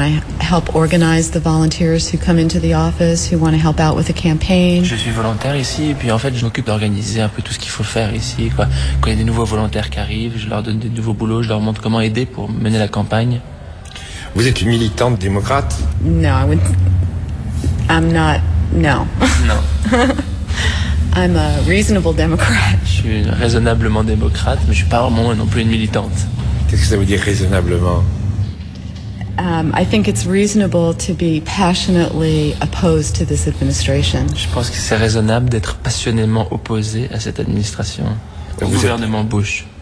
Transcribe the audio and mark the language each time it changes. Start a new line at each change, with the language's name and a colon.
English: I help organize the volunteers who come into the office, who want to help out with the campaign.
French: Je suis volontaire ici, et puis en fait, je m'occupe d'organiser un peu tout ce qu'il faut faire ici, quoi. Quand il y a des nouveaux volontaires qui arrivent, je leur donne des nouveaux boulots, je leur montre comment aider pour mener la campagne. Vous êtes une militante démocrate?
English: No, I'm not. No.
French: Non.
English: I'm a reasonable Democrat.
French: Je suis raisonnablement démocrate, mais je suis pas vraiment non plus une militante. Qu'est-ce que ça veut dire raisonnablement?
English: I think it's reasonable to be passionately opposed to this administration.
French: Je pense que c'est raisonnable d'être passionnément opposé à cette administration, au gouvernement Bush.